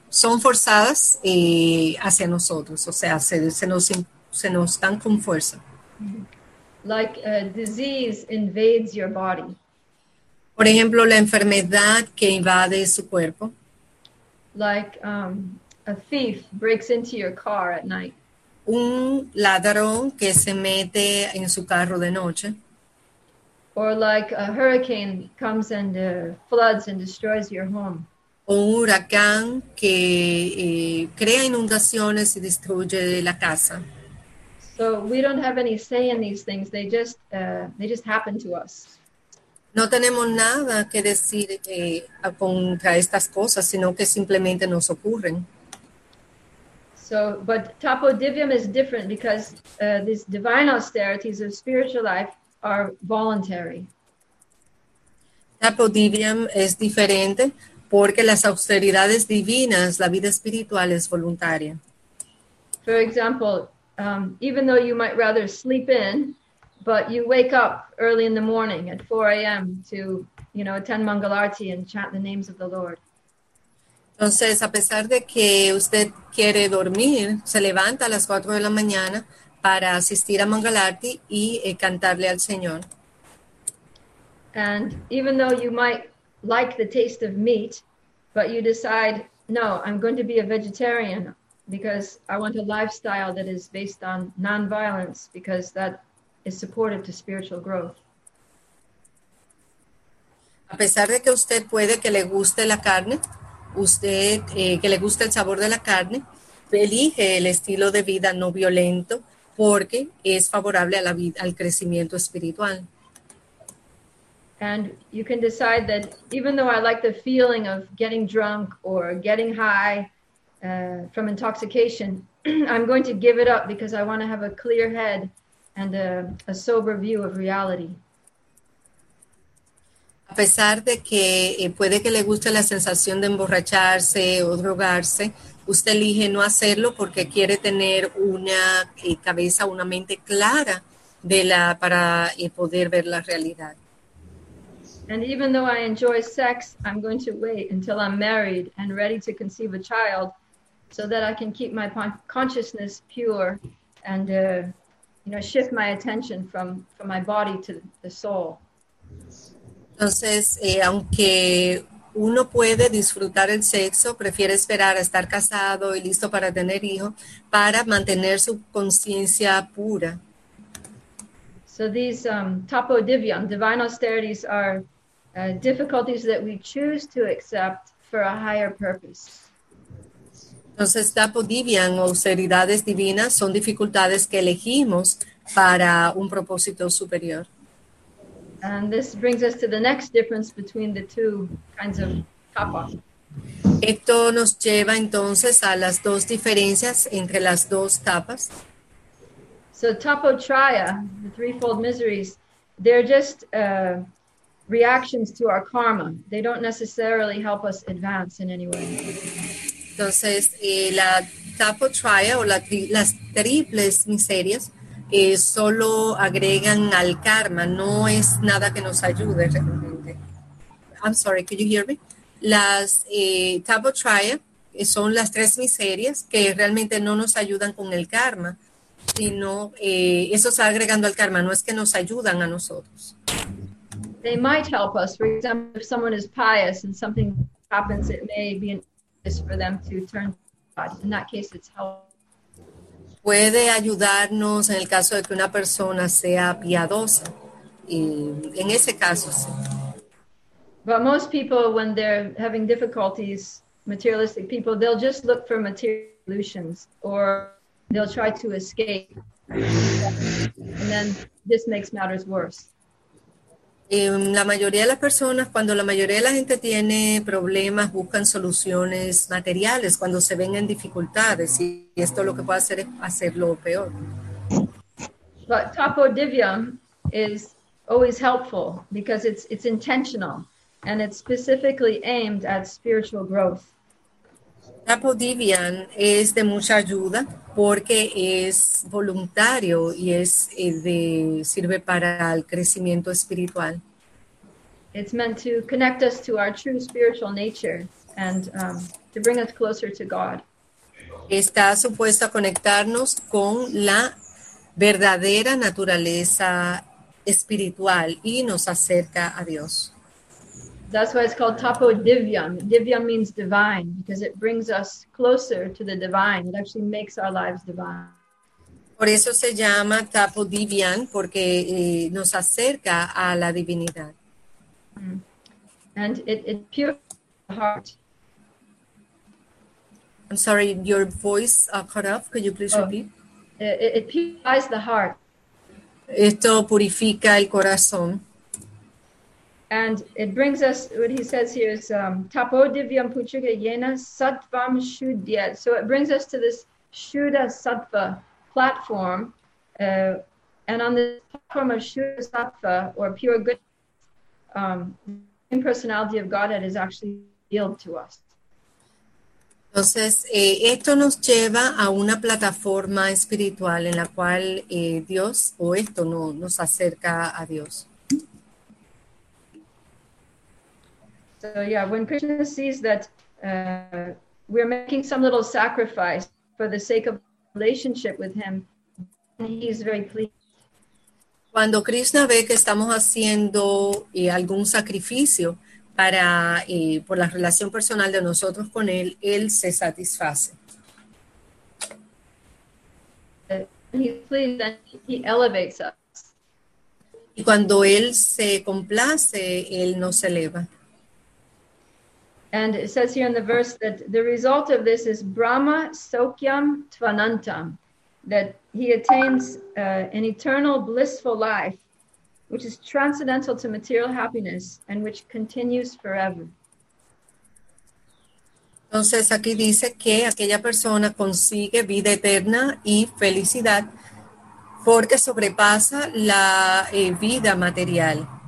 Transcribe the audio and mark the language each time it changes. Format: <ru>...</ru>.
<es>Son forzadas hacia nosotros, o sea, se nos dan con fuerza.</es> <en>Like a disease invades your body.</en> <es>Por ejemplo, la enfermedad que invade su cuerpo.</es> <en>Like a thief breaks into your car at night.</en> <es>un ladrón que se mete en su carro de noche.</es> <en>Or like a hurricane comes and floods and destroys your home.</en> <es>O un huracán que crea inundaciones y destruye la casa.</es> <en>So we don't have any say in these things. They just happen to us.</en> <es>No tenemos nada que decir contra estas cosas, sino que simplemente nos ocurren.</es> <en>So, but Tapo Divyam is different because these divine austerities of spiritual life are voluntary.</en> <es>Tapo Divyam es diferente porque las austeridades divinas, la vida espiritual es voluntaria.</es> <en>For example, even though you might rather sleep in, but you wake up early in the morning at 4 a.m. to, attend Mangalarti and chant the names of the Lord.</en> <es>Entonces, a pesar de que usted quiere dormir, se levanta a las 4 de la mañana para asistir a Mangalarti y cantarle al Señor.</es> <en>And even though you might like the taste of meat, but you decide, no, I'm going to be a vegetarian because I want a lifestyle that is based on nonviolence, because that is supportive to spiritual growth.</en> <es>A pesar de que a usted puede que le guste la carne, usted que le guste el sabor de la carne, elige el estilo de vida no violento porque es favorable a la vida, al crecimiento espiritual.</es> <en>And you can decide that even though I like the feeling of getting drunk or getting high from intoxication, I'm going to give it up because I want to have a clear head and a sober view of reality.</en> <es>A pesar de que puede que le guste la sensación de emborracharse o drogarse, usted elige no hacerlo porque quiere tener una cabeza, una mente clara de la para poder ver la realidad.</es> <en>And even though I enjoy sex, I'm going to wait until I'm married and ready to conceive a child so that I can keep my consciousness pure and shift my attention from my body to the soul.</en> <es>Entonces, aunque uno puede disfrutar el sexo, prefiere esperar a estar casado y listo para tener hijos para mantener su conciencia pura.</es> <en>So these Tapo Divyam, divine austerities, are difficulties that we choose to accept for a higher purpose.</en> <es>Entonces, Tapo Divyam o austeridades divinas son dificultades que elegimos para un propósito superior.</es> <en>And this brings us to the next difference between the two kinds of tapa.</en> <es>Esto nos lleva entonces a las dos diferencias entre las dos tapas.</es> <en>So tapotraya, the threefold miseries, they're just reactions to our karma. They don't necessarily help us advance in any way.</en> <es>Entonces, la tapotraya o las triples miserias solo agregan al karma, no es nada que nos ayude realmente.</es> <en>I'm sorry, could you hear me?</en> <es>Las tapotraya son las tres miserias que realmente no nos ayudan con el karma, sino eso está agregando al karma, no es que nos ayudan a nosotros.</es> <en>They might help us. For example, if someone is pious and something happens, it may be an impetus for them to turn to God. In that case, it's helpful.</en> <es>Puede ayudarnos en el caso de que una persona sea piadosa, y en ese caso sí.</es> <en>But most people, when they're having difficulties, materialistic people, they'll just look for material solutions or they'll try to escape. And then this makes matters worse.</en> <es>La mayoría de las personas, cuando la mayoría de la gente tiene problemas, buscan soluciones materiales cuando se ven en dificultades y esto lo que puede hacer es hacerlo peor.</es> <en>But Tapo Divyam is always helpful because it's intentional and it's specifically aimed at spiritual growth.</en> <es>Tapo Divyam es de mucha ayuda porque es voluntario y sirve para el crecimiento espiritual.</es> <en>It's meant to connect us to our true spiritual nature and to bring us closer to God.</en> <es>Está supuesto a conectarnos con la verdadera naturaleza espiritual y nos acerca a Dios.</es> <en>That's why it's called Tapo Divyam. Divyam means divine because it brings us closer to the divine. It actually makes our lives divine.</en> <es>Por eso se llama Tapu Divyan, porque nos acerca a la divinidad.</es> <en>And it purifies the heart. I'm sorry, your voice cut off. Could you please Oh, repeat? it purifies the heart.</en> <es>Esto purifica el corazón.</es> <en>And it brings us what he says here is</en> <sa>tapo divyam puchuke yena sattvam shuddhyat.</sa> <en>So it brings us to this shuddha sattva platform. And on this platform of shuddha sattva, or pure good, impersonality of Godhead is actually revealed to us.</en> <es>Entonces, esto nos lleva a una plataforma espiritual en la cual Dios o esto no nos acerca a Dios.</es> <en>So yeah, when Krishna sees that we're making some little sacrifice for the sake of relationship with him, he's very pleased.</en> <es>Cuando Krishna ve que estamos haciendo algún sacrificio para por la relación personal de nosotros con él, él se satisface.</es> <en>He's pleased and he elevates us.</en> <es>Y cuando él se complace, él nos eleva.</es> <en>And it says here in the verse that the result of this is</en> <sa>Brahma Sokyam Tvanantam,</sa> <en>that he attains an eternal blissful life, which is transcendental to material happiness and which continues forever.</en> <es>Entonces aquí dice que aquella persona consigue vida eterna y felicidad porque sobrepasa la vida material.</es>